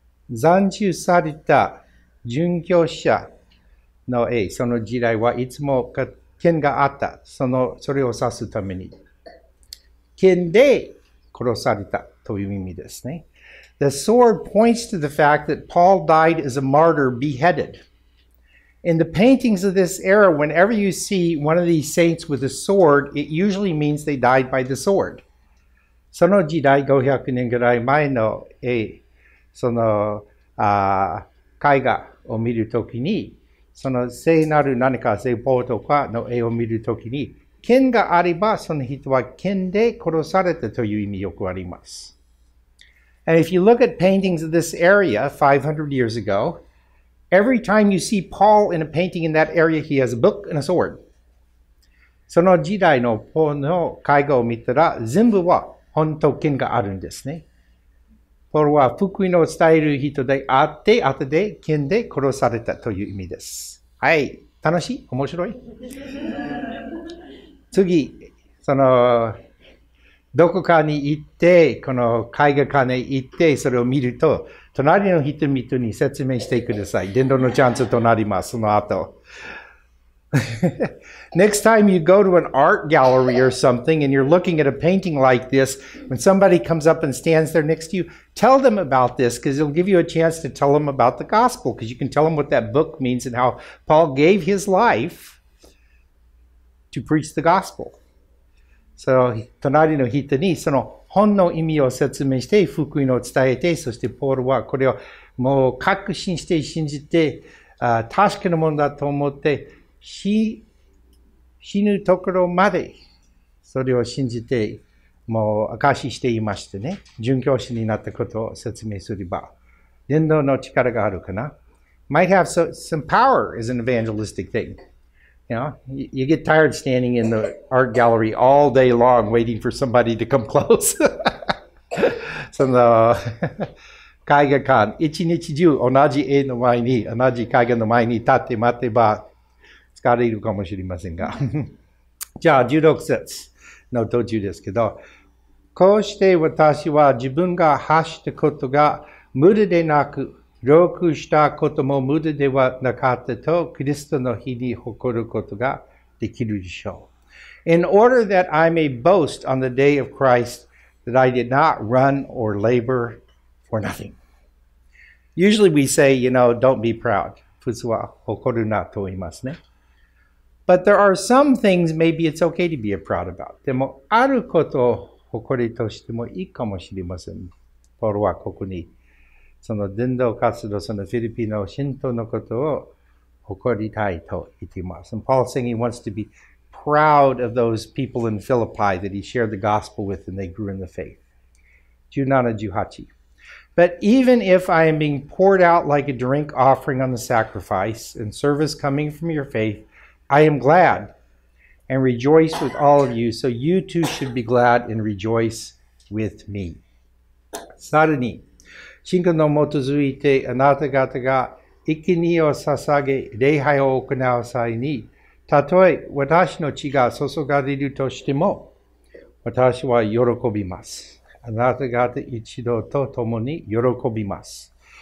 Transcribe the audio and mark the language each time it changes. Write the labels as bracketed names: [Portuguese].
[Japanese] 斬首された殉教者の絵、その時代はいつも剣があった。それを指すために。剣で殺されたという意味ですね。 [English] The sword points to the fact that Paul died as a martyr, beheaded. In the paintings of this era, whenever you see one of these saints with a sword, it usually means they died by the sword. [Japanese] その時代500年ぐらい前の絵、その絵画を見るときに、その聖なる何か聖ポールとかの絵を見るときに、剣があればその人は剣で殺されたという意味よくあります。 [English] And if you look at paintings of this area 500 years ago, every time you see Paul in a painting in that area, he has a book and a sword. [Japanese] その時代のポールの絵画を見たら、全部は本と剣があるんですね。ポールは福音を伝える人であって、後で剣で殺されたという意味です。はい、楽しい、面白い。次、どこかに行って、この絵画館に行って、それを見ると、隣の人々に説明してください。伝道のチャンスとなります、その後。 [English] Next time you go to an art gallery or something, and you're looking at a painting like this, when somebody comes up and stands there next to you, tell them about this, because it'll give you a chance to tell them about the gospel, because you can tell them what that book means and how Paul gave his life to preach the gospel. [Japanese] その隣の人にその本の意味を説明して福音を伝えて、そしてポールはこれをもう確信して信じて、確かなものだと思って死ぬところまでそれを信じてもう証ししていましてね、殉教師になったことを説明すれば伝道の力があるかな。 [English] Might have some power is an evangelistic thing. You know, you get tired standing in the art gallery all day long waiting for somebody to come close. [Japanese] その絵画館、一日中同じ絵の前に、同じ絵画の前に立って待てば疲れるかもしれませんが。じゃあ、16節の途中ですけど、こうして私は自分が発したことが無駄でなく、ロークしたことも無駄ではなかったと、キリストの日に誇ることができるでしょう。 [English] In order that I may boast on the day of Christ that I did not run or labor, or nothing. Usually we say, you know, don't be proud. [Japanese] 普通は誇るなと言いますね。 [English] But there are some things maybe it's okay to be proud about. [Japanese] でもあることを誇りとしてもいいかもしれません。ポロはここにその伝道活動、そのフィリピの信徒のことを誇りたいと言っています。 [English] And Paul is saying he wants to be proud of those people in Philippi that he shared the gospel with and they grew in the faith. 17-18. But even if I am being poured out like a drink offering on the sacrifice and service coming from your faith, I am glad and rejoice with all of you, so you too should be glad and rejoice with me. [Japanese] さらに、信仰の基づいてあなた方が生贄を捧げ礼拝を行う際に、たとえ私の血が注がれるとしても、私は喜びます。あなた方一同と共に喜びます。